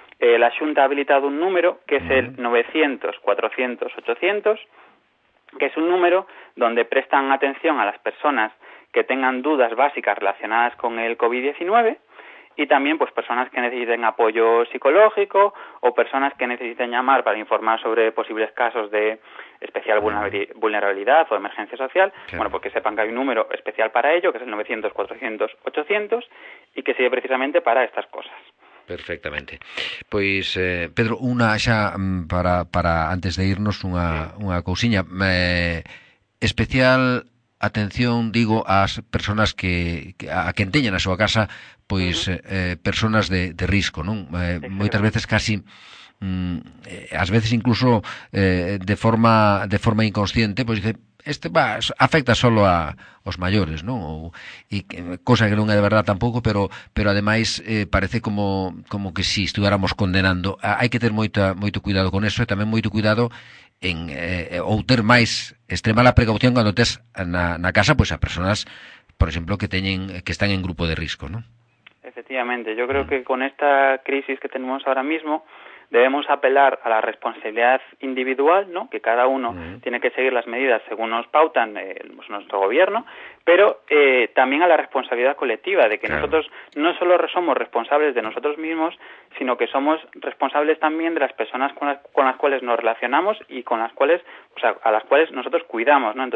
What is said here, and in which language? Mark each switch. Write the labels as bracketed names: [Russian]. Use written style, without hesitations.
[Spanish] La Xunta ha habilitado un número que es el 900-400-800, que es un número donde prestan atención a las personas que tengan dudas básicas relacionadas con el COVID-19 y también pues personas que necesiten apoyo psicológico o personas que necesiten llamar para informar sobre posibles casos de especial vulnerabilidad o emergencia social. Claro. Bueno, pues que sepan que hay un número especial para ello, que es el 900-400-800 y que sirve precisamente para estas cosas. Perfectamente. [Galician] Pois, Pedro, unha xa para antes de irnos unha cousiña. Especial atención, digo, ás persoas a quen teñen a súa casa, pois, personas de risco, non? Moitas veces casi, ás veces incluso de forma inconsciente, pois dice, este va, afecta solo a os maiores, non? E cosa que non é de verdade tampouco, pero ademais parece como que [Spanish] si estuviéramos condenando. [Galician] Hai que ter moito cuidado con eso e tamén moito cuidado en ou ter máis extrema la precaución cando tes na casa, pois a personas, por exemplo, que están en grupo de risco, non? [Spanish] Efectivamente, yo creo que con esta crisis que tenemos ahora mismo debemos apelar a la responsabilidad individual, ¿no?, que cada uno tiene que seguir las medidas según nos pautan nuestro gobierno, pero también a la responsabilidad colectiva, de que nosotros no solo somos responsables de nosotros mismos, sino que somos responsables también de las personas con las cuales nos relacionamos y con las cuales, o sea, a las cuales nosotros cuidamos, ¿no?